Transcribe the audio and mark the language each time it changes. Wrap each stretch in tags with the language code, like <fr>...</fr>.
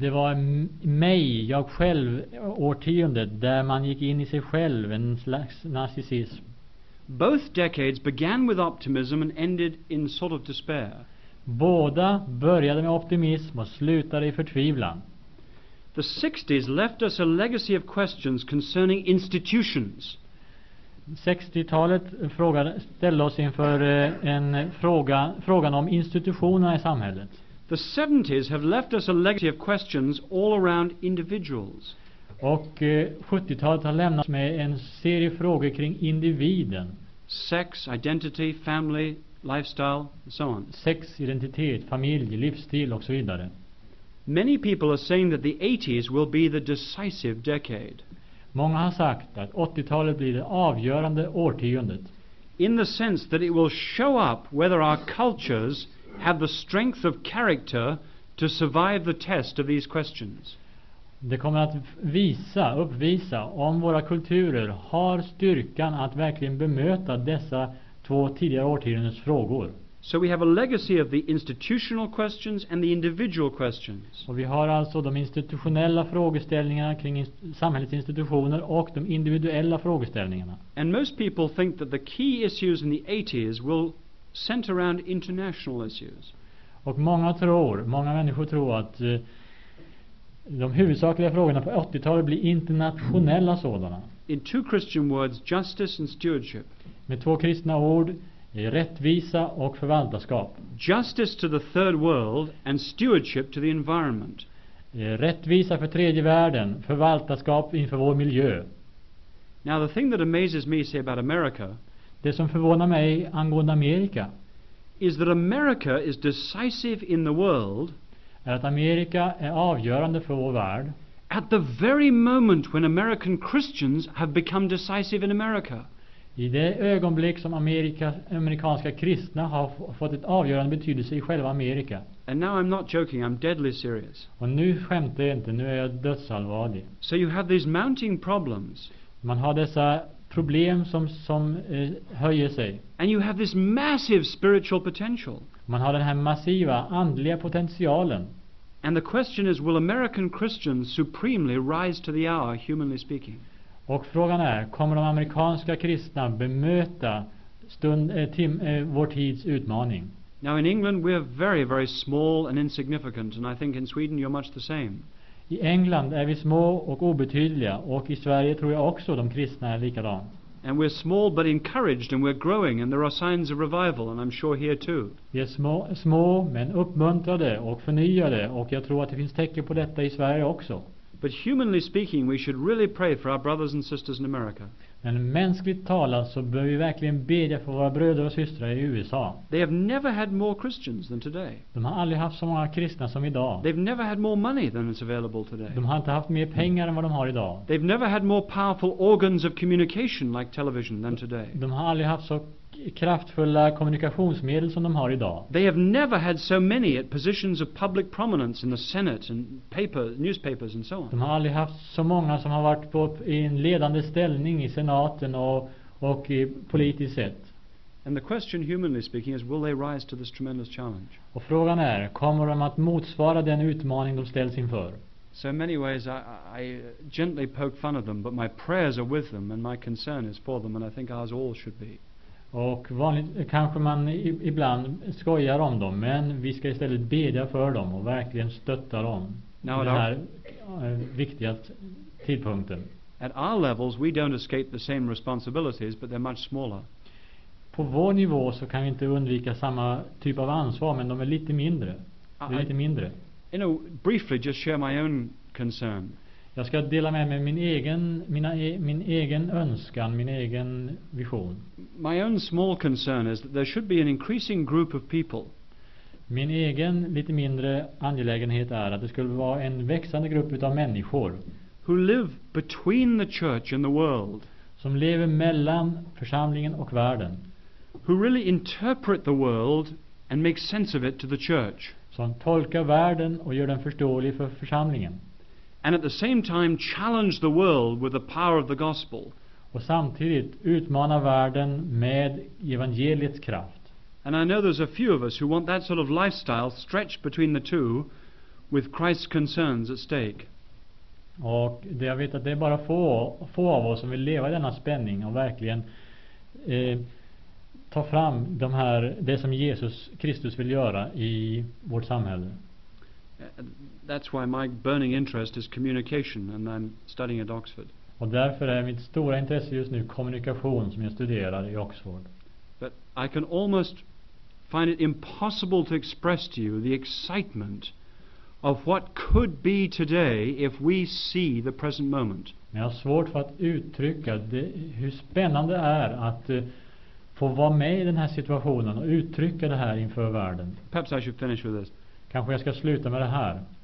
<sv>Det var mig, jag själv, årtiondet där man gick in i sig själv, en slags narcissism.</sv> <en>Both decades began with optimism and ended in sort of despair.</en> <sv>Båda började med optimism och slutade i förtvivlan.</sv> <en>The 60s left us a legacy of questions concerning institutions.</en> <sv>60-talet ställde oss inför en frågan om institutionerna i samhället.</sv> <en>The 70s have left us a legacy of questions all around individuals.</en> <sv>Och 70-talet har lämnat oss med en serie frågor kring individen.</sv> <en>Sex, identity, family, lifestyle, and so on.</en> <sv>Sex, identitet, familj, livsstil och så vidare.</sv> <en>Many people are saying that the 80s will be the decisive decade.</en> <sv>Många har sagt att 80-talet blir det avgörande årtiondet.</sv> <en>In the sense that it will show up whether our cultures have the strength of character to survive the test of these questions.</en> <sv>Det kommer att uppvisa om våra kulturer har styrkan att verkligen bemöta dessa två tidigare årtiondens frågor.</sv> <en>So we have a legacy of the institutional questions and the individual questions.</en> <sv>Och vi har alltså de institutionella frågeställningarna kring samhällets institutioner och de individuella frågeställningarna.</sv> <en>And most people think that the key issues in the 80s will center around international issues.</en> <sv>Och många människor tror att de huvudsakliga frågorna på 80-talet blir internationella sådana.</sv> <en>In two Christian words, justice and stewardship.</en> <sv>Med två kristna ord, rättvisa och förvaltarskap.</sv> <en>Justice to the third world and stewardship to the environment.</en> <sv>Rättvisa för tredje världen, förvaltarskap inför vår miljö.</sv> <en>Now the thing that amazes me, say about America,</en> <sv>det som förvånar mig angående Amerika,</sv> <en>is that America is decisive in the world.</en> <sv>Är att Amerika är avgörande för vår värld.</sv> <en>At the very moment when American Christians have become decisive in America.</en> <sv>I det ögonblick som amerikanska kristna har fått ett avgörande betydelse i själva Amerika.</sv> <en>And now I'm not joking, I'm deadly serious.</en> <sv>Och nu skämtar jag inte, nu är jag dödsallvarlig.</sv> <en>So you have these mounting problems.</en> <sv>Man har dessa problem som höjer sig.</sv> <en>And you have this massive spiritual potential.</en> <sv>Man har den här massiva andliga potentialen.</sv> <en>And the question is, will American Christians supremely rise to the hour, humanly speaking?</en> <sv>Och frågan är, kommer de amerikanska kristna bemöta vår tids utmaning?</sv> <en>Now in England we are very, very small and insignificant, and I think in Sweden you're much the same.</en> <sv>I England är vi små och obetydliga, och i Sverige tror jag också de kristna är likadant.</sv> <en>And we're small but encouraged, and we're growing, and there are signs of revival, and I'm sure here too.</en> <sv>Vi är små men uppmuntrade och förnyade, och jag tror att det finns tecken på detta i Sverige också.</sv> <en>But humanly speaking, we should really pray for our brothers and sisters in America.</en> <sv>Men mänskligt talat så bör vi verkligen bedja för våra bröder och systrar i USA.</sv> <en>They have never had more Christians than today.</en> <sv>De har aldrig haft så många kristna som idag.</sv> <en>They've never had more money than is available today.</en> <sv>De har inte haft mer pengar än vad de har idag.</sv> <en>They've never had more powerful organs of communication like television than today.</en> <sv>De har aldrig haft så kraftfulla kommunikationsmedel som de har idag.</sv> <en>They have never had so many at positions of public prominence in the Senate and papers, newspapers and so on.</en> <sv>De har aldrig haft så många som har varit i en ledande ställning i senaten och i politiskt sett.</sv> <en>And the question, humanly speaking, is will they rise to this tremendous challenge?</en> <sv>Och frågan är, kommer de att motsvara den utmaning de ställs inför?</sv> <en>So in many ways I gently poke fun of them, but my prayers are with them and my concern is for them, and I think ours all should be.</en> <sv>Och vanligt kanske man ibland skojar om dem, men vi ska istället bedja för dem och verkligen stötta dem</sv> <en>now</en> <sv>den här viktiga tidpunkten.</sv> <en>At our levels we don't escape the same responsibilities, but they're much smaller.</en> <sv>På vår nivå så kan vi inte undvika samma typ av ansvar, men de är lite mindre.</sv> <en>You know, briefly just share my own concern.</en> <sv>Jag ska dela med mig min egen önskan, min egen vision.</sv> <en>My own small concern is that there should be an increasing group of people.</en> <sv>Min egen lite mindre angelägenhet är att det skulle vara en växande grupp utav människor</sv> <en>who live between the church and the world.</en> <sv>Som lever mellan församlingen och världen.</sv> <en>Who really interpret the world and make sense of it to the church.</en> <sv>Som tolkar världen och gör den förståelig för församlingen.</sv> <en>And at the same time challenge the world with the power of the gospel.</en> <sv>Och samtidigt utmana världen med evangeliets kraft.</sv> <en>And I know there's a few of us who want that sort of lifestyle stretched between the two, with Christ's concerns at stake.</en> <sv>Och det jag vet att det är bara få av oss som vill leva i denna spänning och verkligen ta fram de här, det som Jesus Kristus vill göra i vårt samhälle.</sv> <en>That's why my burning interest is communication and I'm studying at Oxford.</en> <sv>Och därför är mitt stora intresse just nu kommunikation som jag studerar i Oxford.</sv> <en>But I can almost find it impossible to express to you the excitement of what could be today if we see the present moment.</en> <sv>Men jag har svårt för att uttrycka det, hur spännande det är att få vara med i den här situationen och uttrycka det här inför världen.</sv> <en>Perhaps I should finish with this.</en> <sv>Kanske jag ska sluta med det här.</sv>